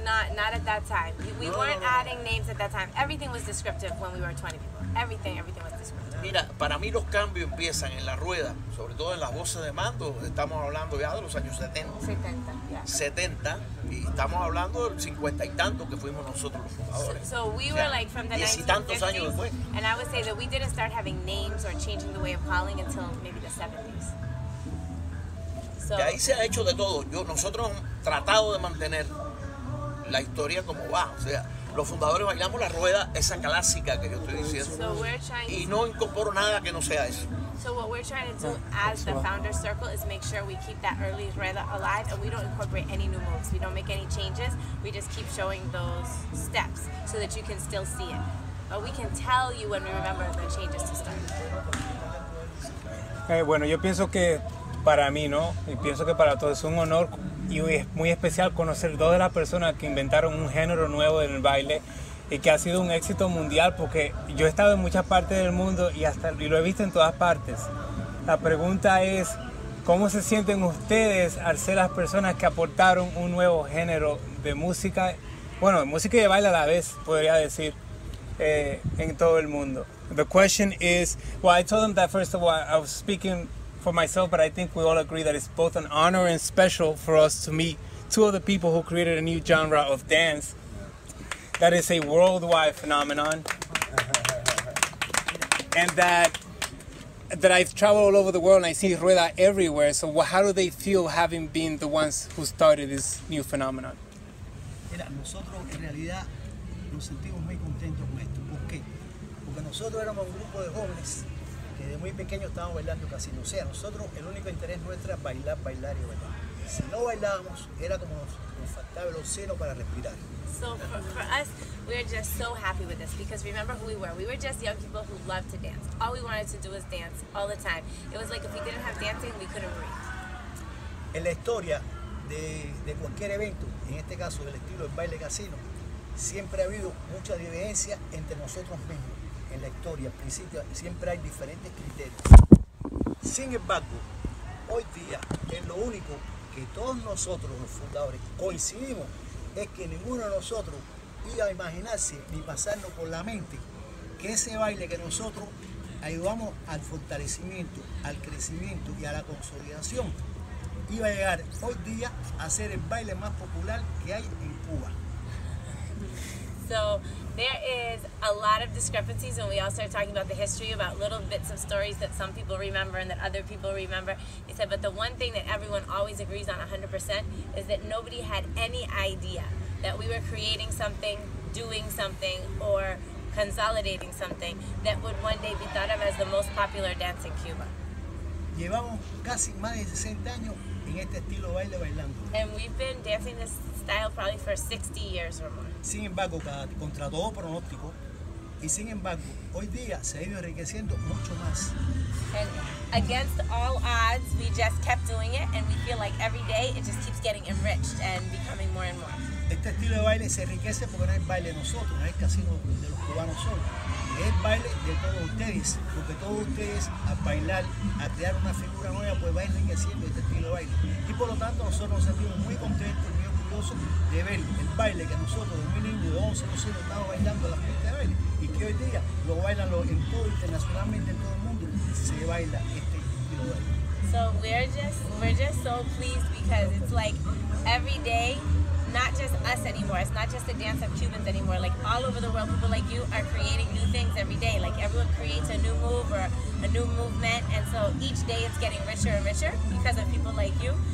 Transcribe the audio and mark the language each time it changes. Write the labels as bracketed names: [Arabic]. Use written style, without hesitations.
[English] Not at that time. We weren't adding names at that time. Everything was descriptive when we were 20 people. Everything was descriptive. [Spanish] Mira, para mí los cambios empiezan en la rueda, sobre todo en las voces de mando. Estamos hablando ya de los años 70. 70, y estamos hablando del 50 y tanto que fuimos nosotros los fundadores. [English] So we were like from the 1950s, [Spanish] años después. [English] And I would say that we didn't start having names or changing the way of calling until maybe the 70s. [Spanish] De ahí se ha hecho de todo. Nosotros hemos tratado de mantener la historia como va. O sea, los fundadores bailamos la rueda, esa clásica que yo estoy diciendo. [English] So we're trying [Spanish] y no incorporo nada que no sea eso. [English] So what we're trying to do as the founder circle is make sure we keep that early rueda alive and we don't incorporate any new moves. We don't make any changes. We just keep showing those steps so that you can still see it. But we can tell you when we remember the changes to start. [Spanish] Bueno, yo pienso que para mí, ¿no? Y pienso que para todos es un honor y es muy especial conocer dos de las personas que inventaron un género nuevo en el baile y que ha sido un éxito mundial, porque yo he estado en muchas partes del mundo y lo he visto en todas partes. La pregunta es, ¿cómo se sienten ustedes al ser las personas que aportaron un nuevo género de música? Bueno, música y de baile a la vez, podría decir, en todo el mundo. [English] The question is, well, I told them that first of all, I was speaking for myself, but I think we all agree that it's both an honor and special for us to meet two of the people who created a new genre of dance that is a worldwide phenomenon, and that I've traveled all over the world and I see rueda everywhere. So how do they feel having been the ones who started this new phenomenon? [Spanish] Mira, nosotros en realidad nos sentimos muy contentos con esto. ¿Por qué? Porque nosotros éramos un grupo de jóvenes. Desde muy pequeño estábamos bailando casino. O sea, nosotros el único interés nuestro era bailar, bailar y bailar. Si no bailábamos, era como nos faltaba el oxígeno para respirar. [English] So for us, we are just so happy with this because remember who we were. We were just young people who loved to dance. All we wanted to do was dance all the time. It was like if we didn't have dancing, we couldn't breathe. [Spanish] En la historia de cualquier evento, en este caso del estilo del baile casino, siempre ha habido mucha diferencia entre nosotros mismos. En la historia, al principio, siempre hay diferentes criterios. Sin embargo, hoy día, es lo único que todos nosotros, los fundadores, coincidimos, es que ninguno de nosotros iba a imaginarse ni pasarnos por la mente que ese baile que nosotros ayudamos al fortalecimiento, al crecimiento y a la consolidación, iba a llegar hoy día a ser el baile más popular que hay en Cuba. [English] So there is a lot of discrepancies when we all start talking about the history, about little bits of stories that some people remember and that other people remember. He said, but the one thing that everyone always agrees on 100% is that nobody had any idea that we were creating something, doing something, or consolidating something that would one day be thought of as the most popular dance in Cuba. [Spanish] Llevamos casi más de 60 años en este estilo de baile bailando. [English] And we've been dancing this style probably for 60 years or more. [Spanish] Sin embargo, contra todo pronóstico, y sin embargo, hoy día se ha ido enriqueciendo mucho más. [English] And against all odds, we just kept doing it, and we feel like every day it just keeps getting enriched and becoming more and more. [Spanish] Este estilo de baile se enriquece porque no es baile de nosotros, no es casino de los cubanos solo. Es baile de todos ustedes, porque todos ustedes al bailar, a crear una figura nueva, pues va enriqueciendo este estilo de baile. Y por lo tanto, nosotros nos sentimos muy contentos y muy orgullosos de ver el baile que nosotros, de 2011, nosotros estamos bailando la fiesta de baile. Y que hoy día lo bailan internacionalmente en todo el mundo, se baila este estilo de baile. [English] So we're just so pleased because it's like every day, not just us anymore. It's not just the dance of Cubans anymore. Like all over the world, people like you are creating new things every day. Like everyone creates a new move or a new movement. And so each day it's getting richer and richer because of people like you.